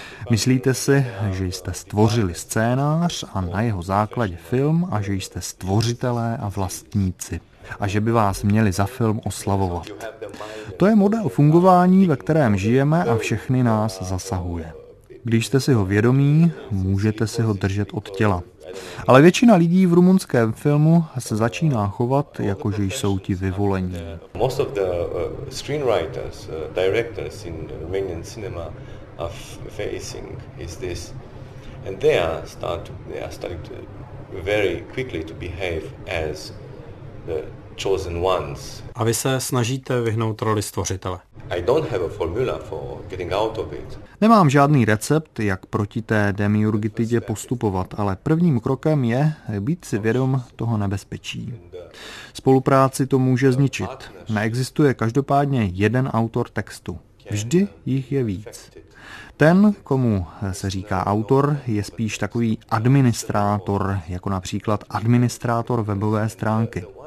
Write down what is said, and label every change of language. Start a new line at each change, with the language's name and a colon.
Czech: Myslíte si, že jste stvořili scénář a na jeho základě film a že jste stvořitelé a vlastníci a že by vás měli za film oslavovat. To je model fungování, ve kterém žijeme a všechny nás zasahuje. Když jste si ho vědomí, můžete si ho držet od těla. Ale většina lidí v rumunském filmu se začíná chovat, jako že jsou ti vyvolení.
English: Most of the screenwriters, directors in Romanian cinema are facing is this, and they are starting to very quickly to behave as the chosen ones.
Czech: A vy se snažíte vyhnout roli stvořitele.
English: I don't have a formula for getting out of it.
Czech: Nemám žádný recept, jak proti té demiurgitidě postupovat, ale prvním krokem je být si vědom toho nebezpečí. Spolupráci to může zničit. Neexistuje každopádně jeden autor textu. Vždy jich je víc. Ten, komu se říká autor, je spíš takový administrátor, jako například administrátor webové stránky.